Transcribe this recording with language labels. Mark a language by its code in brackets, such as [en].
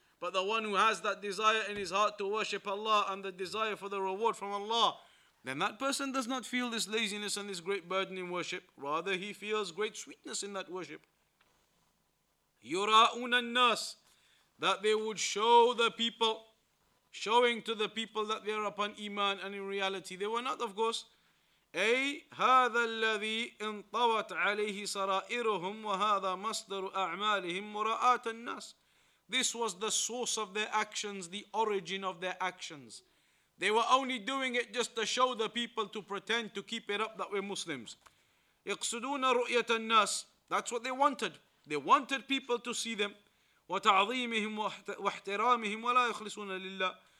[en] But the one who has that desire in his heart to worship Allah and the desire for the reward from Allah, then that person does not feel this laziness and this great burden in worship. Rather, he feels great sweetness in that worship. [ar] يُرَاءُنَ النَّاسِ, [en] that they would show the people, showing to the people that they are upon iman, and in reality they were not, of course. [ar] أي هذا الذي انطوت عليه سرائرهم وهذا مصدر أعمالهم مراءة الناس. [en] This was the source of their actions, the origin of their actions. They were only doing it just to show the people, to pretend, to keep it up that we're Muslims. [ar] يقصدون رؤية الناس. [en] That's what they wanted. They wanted people to see them. [ar] وَتَعْظِيمِهِمْ وَاحْتِرَامِهِم وَلَا يُخْلِصُونَ لِلَّهِ.